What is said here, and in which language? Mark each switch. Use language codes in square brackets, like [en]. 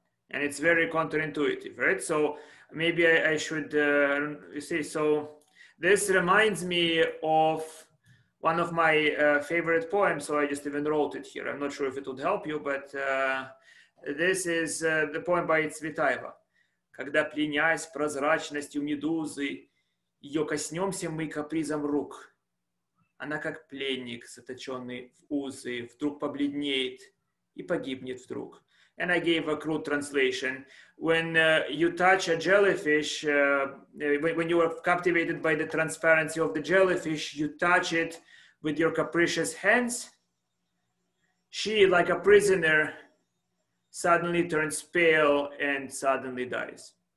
[en] And it's very counterintuitive, right? So maybe I should, you see, so this reminds me of one of my favorite poems. So I just even wrote it here. I'm not sure if it would help you, but this is the poem by Цветаева. [ru] Когда пленясь прозрачностью медузы, ее коснемся мы капризом рук. Она как пленник, заточенный в узы, вдруг побледнеет и погибнет вдруг. [en] And I gave a crude translation. When you touch a jellyfish, when you are captivated by the transparency of the jellyfish, you touch it with your capricious hands. She, like a prisoner, suddenly turns pale and suddenly dies.